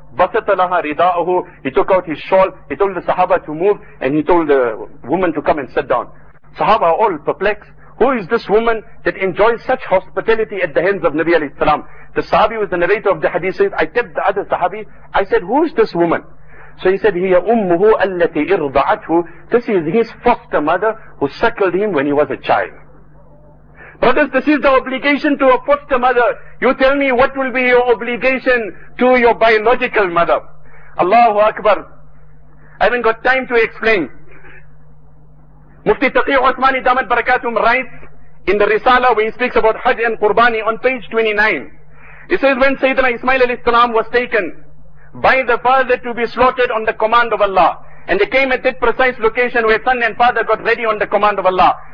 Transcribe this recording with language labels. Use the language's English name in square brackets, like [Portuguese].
[Arabic] Basata laha rida'ahu. [English] He took out his shawl. He told the sahaba to move. And he told the woman to come and sit down. Sahaba are all perplexed. Who is this woman that enjoys such hospitality at the hands of Nabi alayhi salam? The sahabi was the narrator of the hadith says, I tapped the other sahabi. I said, who is this woman? So he said, [Arabic] هي أمه التي إرضعته. [English] This is his foster mother who suckled him when he was a child. Brothers, this is the obligation to a foster mother. You tell me, what will be your obligation to your biological mother? Allahu Akbar. I haven't got time to explain. Mufti Taqi Uthmani Damat Barakatum writes in the Risala, where he speaks about Hajj and Qurbani, on page 29. He says, when Sayyidina Ismail alayhi salam was taken by the father to be slaughtered on the command of Allah, and they came at that precise location where son and father got ready on the command of Allah.